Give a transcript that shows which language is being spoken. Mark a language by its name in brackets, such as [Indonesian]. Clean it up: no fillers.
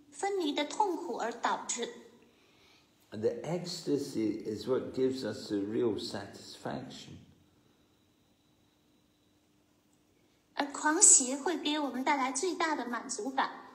[Chinese] 狂喜是由于分离的痛苦而导致。 [English] The ecstasy is what gives us the real satisfaction. [Chinese] 而狂喜会给我们带来最大的满足感。